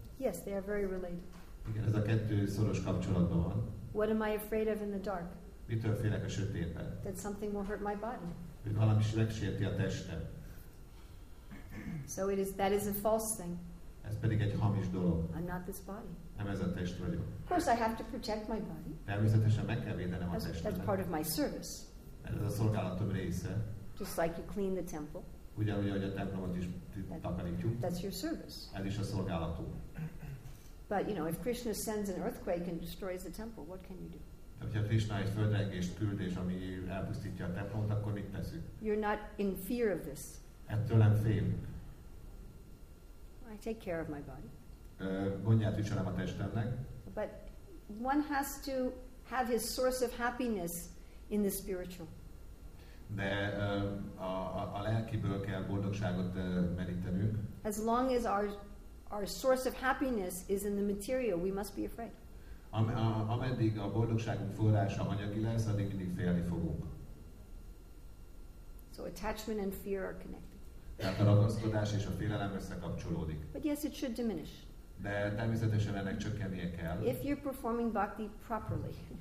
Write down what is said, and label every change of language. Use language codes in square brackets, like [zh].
[en] Yes, they are very related. [hu] Igen, ez a kettő szoros kapcsolatban van. [en] What am I afraid of in the dark? [hu] Mitől félek a sötétben? [en] That something will hurt my body. [hu] Hogy valami megsérti a testem. [en] So it is. That is a false thing. [hu] Ez pedig egy hamis dolog. [en] I'm not this body. [hu] Nem ez a test vagyok. [en] Of course, I have to protect my body. [hu] Természetesen meg kell védenem a testet. [en] That's part of my service. [hu] Ez a szolgálatom része. [en] Just like you clean the temple. [hu] Ugyanúgy, ahogy a templomot is takarítjuk. [en] That's your service. [hu] Ez is a szolgálatom. [en] But you know, if Krishna sends an earthquake and destroys the temple, what can you do? [hu] Ha Krishna egy földrengést küld, ami elpusztítja a templomot, akkor mit teszünk? [en] You're not in fear of this. [hu] Ettől nem félünk. [en] I take care of my body. [hu] Gondját viselem a testemnek. [en] But one has to have his source of happiness in the spiritual. [hu] De a lelkiből kell boldogságot merítenünk. [en] As long as our source of happiness is in the material, we must be afraid. [hu] Ameddig a boldogságunk forrása anyagi lesz, addig mindig félni fogunk. [en] So attachment and fear are connected. [hu] Tehát a ragaszkodás és a félelem összekapcsolódik. [en] But yes, it should diminish. [hu] De természetesen ennek csökkennie kell. [en] If you're performing bhakti properly.